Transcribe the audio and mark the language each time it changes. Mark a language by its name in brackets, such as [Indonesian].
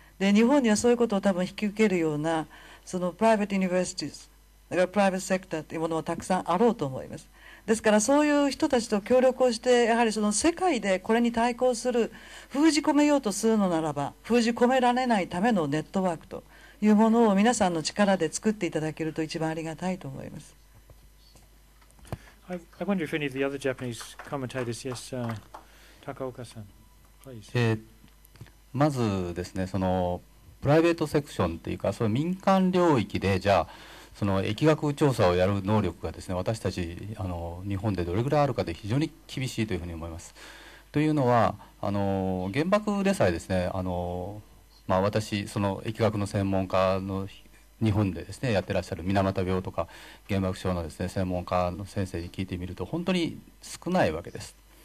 [Japanese] で、日本にはそういうことを多分引き受けるようなそのプライベートユニバーシティス、だからプライベートセクターというものもたくさんあろうと思います。ですからそういう人たちと協力をして、やはりその世界でこれに対抗する、封じ込めようとするのならば封じ込められないためのネットワークというものを皆さんの力で作っていただけると一番ありがたいと思います。 [English] I wonder if any of the other Japanese commentators. Yes, Takaoka-san, please. [Japanese] まずですね、そのプライベートセクションというか、その民間領域で、じゃあその疫学調査をやる能力がですね、私たち日本でどれぐらいあるかで非常に厳しいというふうに思います。というのは原爆でさえですね、まあ、私その疫学の専門家の日本でですねやってらっしゃる水俣病とか原爆症のですね専門家の先生に聞いてみると本当に少ないわけです。